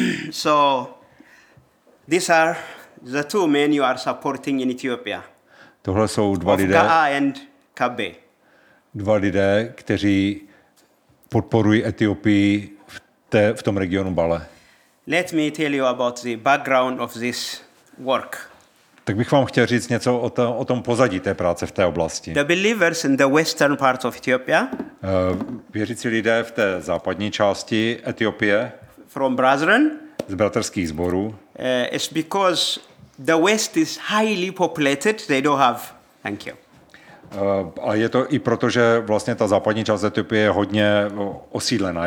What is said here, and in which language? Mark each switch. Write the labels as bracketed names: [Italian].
[English] So these are the two men you are supporting in Ethiopia. [Czech] Tohle jsou dva [English] of [Czech] lidé. [English] Gaa and Kabe. [Czech] Dva lidé, kteří podporují Etiopii v tom regionu Bale. [English] Let me tell you about the background of this work. [Czech] Tak bych vám chtěl říct něco o tom pozadí té práce v té oblasti. [English] The believers in the western part of Ethiopia. [Czech] Věřící lidé v té západní části Etiopie. [English] From brethren. [Czech] Z bratrských sborů. [English] It's because the west is highly populated. They don't have. Thank you. [Czech] A je to i proto, že vlastně ta západní část Etiopie je hodně osídlená.